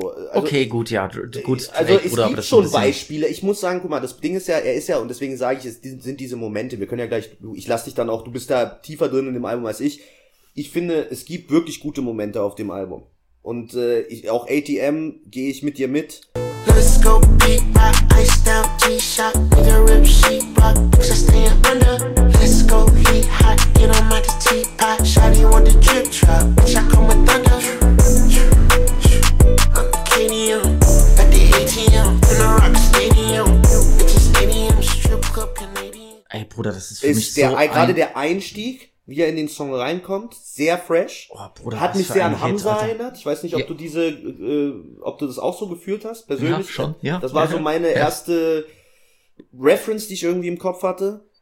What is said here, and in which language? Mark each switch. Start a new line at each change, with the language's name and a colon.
German: Also, okay, gut, ja. Gut, also Drake, es Bruder, gibt aber schon Beispiele. Ich muss sagen, guck mal, das Ding ist ja, er ist ja, und deswegen sage ich, es sind diese Momente. Wir können ja gleich, ich lasse dich dann auch, du bist da tiefer drin in dem Album als ich. Ich finde, es gibt wirklich gute Momente auf dem Album. Und auch ATM gehe ich mit dir mit.
English: Let's go beat rock, iced out G-Shock, nigga rip sheet rock, extra staying under. Let's go heat hot, get on my teapot, shawty want the drip drop, bitch I come with thunder. I'm the KDM, at the ATM, in the rock stadium, bitch a stadium, strip club Canadian.
German: Ey Bruder, das ist für mich so ein... Gerade der Einstieg, wie er in den Song reinkommt, sehr fresh. Oh, Bruder, hat mich sehr an Hamza erinnert. Ich weiß nicht, ob du diese, ob du das auch so gefühlt hast, persönlich. Ja, schon, ja. Das war so meine erste Reference, die ich irgendwie im Kopf hatte.